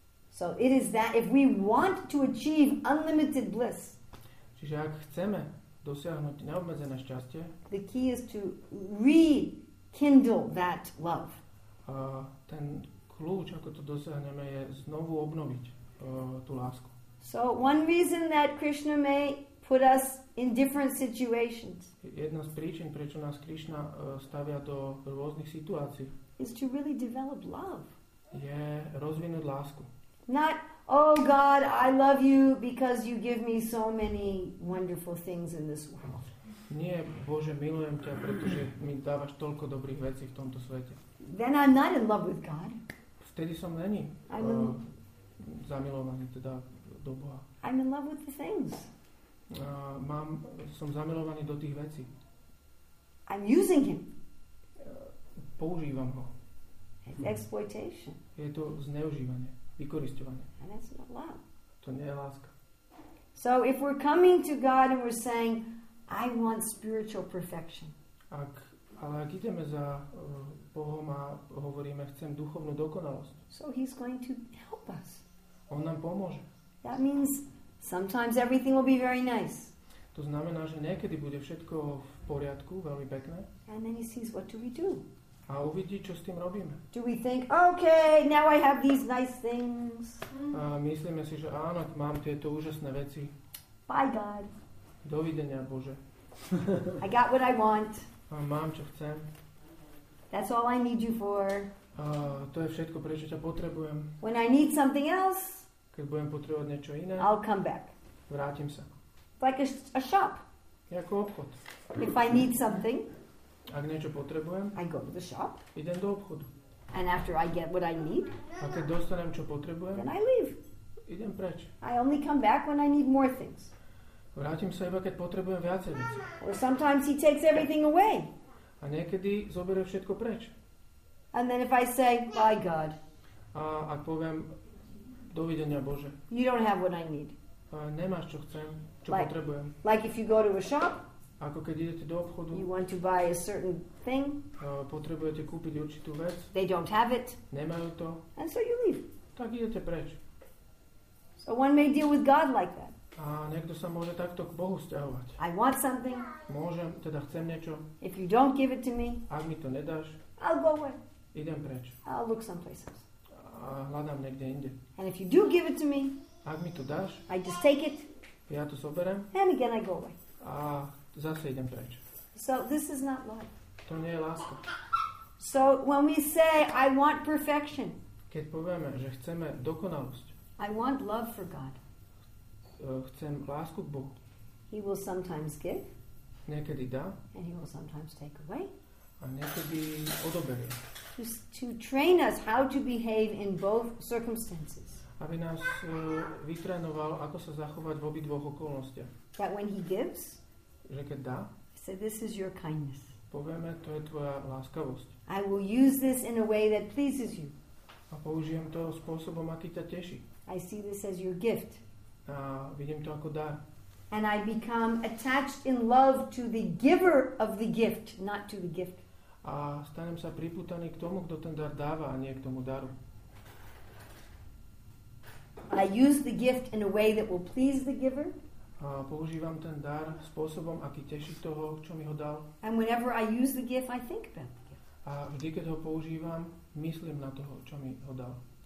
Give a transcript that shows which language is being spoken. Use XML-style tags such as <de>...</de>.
<en>So it is that if we want to achieve unlimited bliss.</en> <sk>Čiže ak chceme dosiahnuť neobmedzené šťastie.</sk> <en>The key is to rekindle that love.</en> <sk>Ten kľúč, ako to dosiahneme, je znovu obnoviť tú lásku.</sk> <en>So one reason that Krishna may put us in different situations.</en> <sk>Jedna z príčin, prečo nás Krishna stavia do rôznych situácií.</sk> <en>Is to really develop love.</en> <sk>Je rozvinúť lásku.</sk> <en>Not, oh God, I love you because you give me so many wonderful things in this world.</en> <sk>Nie, Bože, milujem ťa, pretože mi dávaš toľko dobrých vecí v tomto svete.</sk> <en>Then I'm not in love with God.</en> <sk>Vtedy som není.</sk> <en>I'm</en> <sk>zamilovaný teda do Boha.</sk> <en>I'm in love with the things.</en> <sk>mám, som zamilovaný do tých vecí.</sk> <en>I'm using him.</en> <sk>Používam ho.</sk> <en>Exploitation.</en> <sk>Je to zneužívanie, vykorisťovanie.</sk> <en>And that's not love.</en> <sk>To nie je láska.</sk> <en>So if we're coming to God and we're saying, I want spiritual perfection.</en> <sk>Ale ak ideme za Bohom a hovoríme, chcem duchovnú dokonalosť.</sk> <en>So he's going to help us.</en> <sk>On nám pomôže.</sk> <en>That means sometimes everything will be very nice.</en> <sk>To znamená, že niekedy bude všetko v poriadku, veľmi pekné.</sk> <en>And then he sees, what do we do?</en> <sk>A uvidí, čo s tým robíme.</sk> <en>Do we think, okay, now I have these nice things.</en> <sk>A myslíme si, že áno, mám tieto úžasné veci.</sk> <en>Bye, God.</en> <sk>Dovidenia, Bože.</sk> <en>I got what I want.</en> <sk>A mám, čo chcem.</sk> <en>That's all I need you for.</en> <sk>To je všetko, prečo ťa potrebujem.</sk> <en>When I need something else,</en> <sk>keď budem potrebovať niečo iné,</sk> <en>I'll come back.</en> <sk>Vrátim sa.</sk> <en>Like a shop.</en> <sk>Jako obchod.</sk> <en>If I need something,</en> <sk>ak niečo potrebujem,</sk> <en>I go to the shop.</en> <sk>Idem do obchodu.</sk> <en>And after I get what I need,</en> <sk>a keď dostanem, čo potrebujem,</sk> <en>then I leave.</en> <sk>Idem preč.</sk> <en>I only come back when I need more things.</en> <sk>Vrátim sa iba, keď potrebujem viacej veci.</sk> <en>Or sometimes he takes everything away.</en> <sk>A niekedy zoberie všetko preč.</sk> <en>And then if I say, bye God.</en> <sk>A ak poviem, dovidenia Bože.</sk> <en>You don't have what I need.</en> <sk>A nemáš, čo chcem, čo</sk> <en>like,</en> <sk>potrebujem.</sk> <en>Like if you go to a shop.</en> <sk>Ako keď idete do obchodu.</sk> <en>You want to buy a certain thing.</en> <sk>A potrebujete kúpiť určitú vec.</sk> <en>They don't have it.</en> <sk>Nemajú to.</sk> <en>And so you leave.</en> <sk>Tak idete preč.</sk> <en>So one may deal with God like that.</en> <sk>A niekto sa môže takto k Bohu sťahovať.</sk> <en>I want something.</en> <sk>Môžem, teda chcem niečo.</sk> <en>If you don't give it to me,</en> <sk>ak mi to nedáš,</sk> <en>I'll go away.</en> <sk>Idem preč.</sk> <en>I'll look someplace else.</en> <sk>A hľadám niekde inde.</sk> <en>And if you do give it to me,</en> <sk>ak mi to dáš,</sk> <en>I just take it.</en> <sk>Ja to zoberiem.</sk> <en>And again I go away.</en> <sk>A zase idem preč.</sk> <en>So this is not love.</en> <sk>To nie je láska.</sk> <en>So when we say, I want perfection.</en> <sk>Keď povieme, že chceme dokonalosť.</sk> <en>I want love for God.</en> <sk>Chcem lásku k Bohu.</sk> <en>He will sometimes give.</en> <sk>Niekedy dá.</sk> <en>And he will sometimes take away.</en> <sk>A niekedy odoberie.</sk> <en>Just to train us how to behave in both circumstances.</en> <sk>Aby nás vytrénoval, ako sa zachovať v obidvoch okolnostiach.</sk> <en>That when he gives,</en> <sk>že keď dá,</sk> <en>so this is your kindness.</en> <sk>Povieme, to je tvoja láskavosť.</sk> <en>I will use this in a way that pleases you.</en> <sk>A použijem to spôsobom, aký ťa teší.</sk> <en>I see this as your gift.</en> <sk>A vidím to ako dar.</sk> <en>And I become attached in love to the giver of the gift, not to the gift.</en> <sk>A stanem sa pripútaný k tomu, kto ten dar dáva, a nie k tomu daru.</sk> <en>I use the gift in a way that will please the giver.</en> <sk>A používam ten dar spôsobom, aký teší toho, čo mi ho dal.</sk> <en>And whenever I use the gift, I think about the gift.</en> <sk>A vždy, keď ho používam, myslím na toho, čo mi ho dal.</sk>